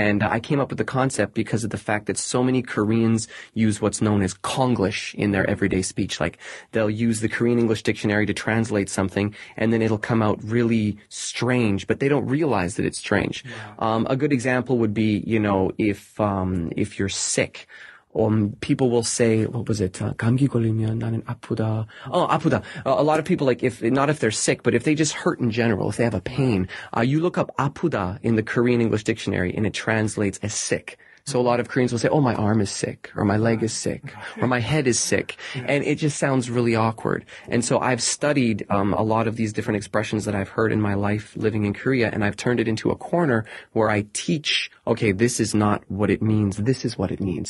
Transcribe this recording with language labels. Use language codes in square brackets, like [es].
[en] And I came up with the concept because of the fact that so many Koreans use what's known as Konglish in their everyday speech. Like, they'll use the Korean English Dictionary to translate something, and then it'll come out really strange, but they don't realize that it's strange. Yeah. A good example would be, you know, if you're sick, people will say, what was it? [ko] 감기 걸리면 나는 아프다. Oh, 아프다. [en] A lot of people, like, not if they're sick, but if they just hurt in general, if they have a pain, you look up 아프다 in the Korean English dictionary and it translates as sick. So a lot of Koreans will say, oh, my arm is sick, or my leg is sick, or my head is sick. And it just sounds really awkward. And so I've studied a lot of these different expressions that I've heard in my life living in Korea, and I've turned it into a corner where I teach, okay, this is not what it means. This is what it means.